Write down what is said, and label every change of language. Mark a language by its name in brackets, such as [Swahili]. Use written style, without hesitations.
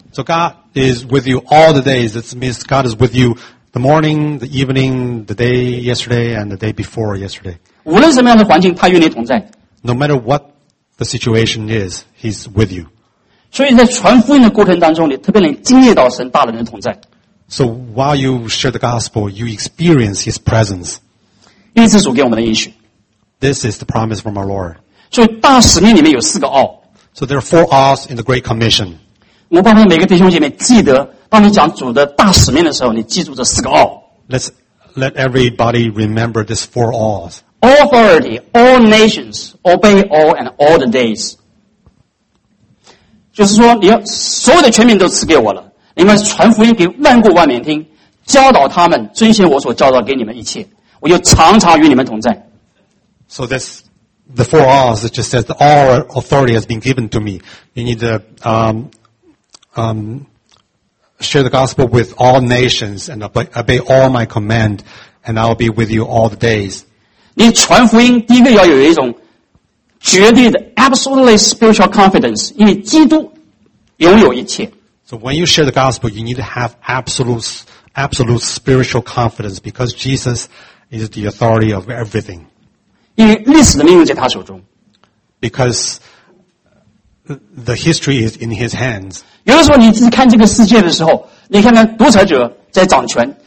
[English] So God is with you all the days. That means God is with you the morning, the evening, the day yesterday, and the day before yesterday. [Chinese] 无论什么样的环境，他与你同在。 [English] No matter what. The situation is, he's with you. [Chinese] 所以在传福音的过程当中，你特别能经历到神大能的同在。 [English] So while you share the gospel, you experience his presence. [Chinese] 因为这是主给我们的应许。 [English] This is the promise from our Lord. [Chinese] 所以大使命里面有四个奥。 [English] So there are four aws in the Great Commission. [Chinese] 我帮助每个弟兄姐妹记得，当你讲主的大使命的时候，你记住这四个奥。 [English] Let's let everybody remember these four aws. All authority, all nations, obey all and all the days. [Chinese] 就是说你要所有的权柄都赐给我了，你们传福音给万国万民听，教导他们遵循我所教导给你们一切，我就常常与你们同在。 [English] So that's the four R's. It just says that all authority has been given to me. You need to share the gospel with all nations and obey all my command, and I'll be with you all the days. [Chinese] 你传福音第一个要有一种绝对的 [English] absolutely spiritual confidence， [Chinese] 因为基督拥有一切。 [English] So when you share the gospel, you need to have absolute spiritual confidence because Jesus is the authority of everything. [Chinese] 因为历史的命运在他手中。 [English] Because the history is in his hands. [Chinese] 有的时候你自己看这个世界的时候，你看看独裁者在掌权。